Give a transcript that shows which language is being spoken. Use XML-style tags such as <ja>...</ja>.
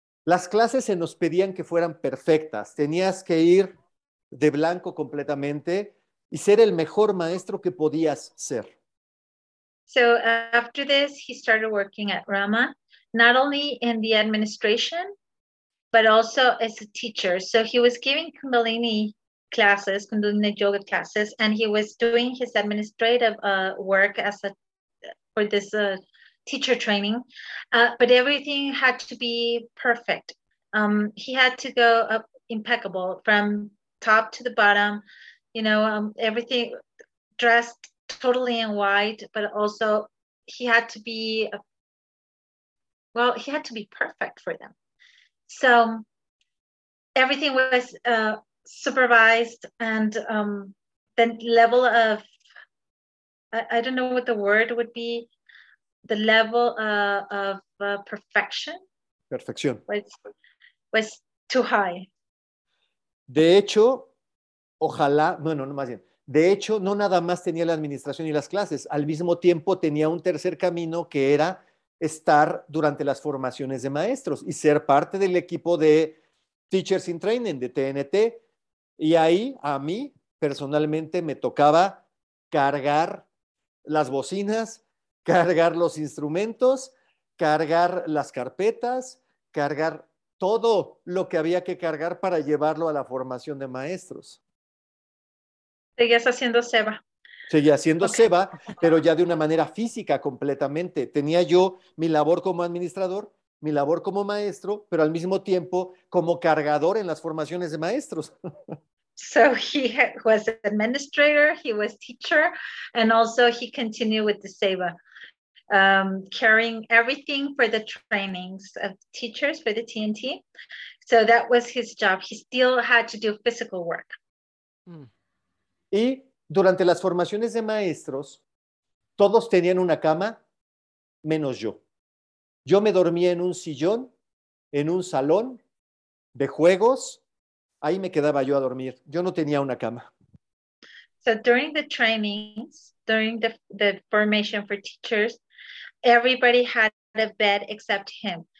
<es>las clases se nos pedían que fueran perfectas. Tenías que ir de blanco completamente y ser el mejor maestro que podías ser.</es> <en>So after this, he started working at Rama, not only in the administration, but also as a teacher. So he was giving Kundalini classes, Kundalini yoga classes, and he was doing his administrative work as a for this teacher training. But everything had to be perfect. He had to go up impeccable from top to the bottom, you know, everything dressed totally in white, but also he had to be, he had to be perfect for them. So everything was supervised, and the level of, I don't know what the word would be, the level of perfection was too high.</en> <es>De hecho, ojalá, bueno, no más bien, de hecho, no nada más tenía la administración y las clases, al mismo tiempo tenía un tercer camino que era estar durante las formaciones de maestros y ser parte del equipo de Teachers in Training, de TNT. Y ahí, a mí, personalmente, me tocaba cargar las bocinas, cargar los instrumentos, cargar las carpetas, cargar todo lo que había que cargar para llevarlo a la formación de maestros. Seguías haciendo Seba. Seguía haciendo Seba, pero ya de una manera física completamente. Tenía yo mi labor como administrador, mi labor como maestro, pero al mismo tiempo como cargador en las formaciones de maestros.</es> <en>So he was an administrator, he was teacher, and also he continued with the Seva, carrying everything for the trainings of teachers for the TNT. So that was his job. He still had to do physical work.</en> <es>Y durante las formaciones de maestros, todos tenían una cama, menos yo. Yo me dormía en un sillón, en un salón de juegos. Ahí me quedaba yo a dormir. Yo no tenía una cama.</es> <en>So during the trainings, during the formation for teachers, everybody had a bed except him.</en>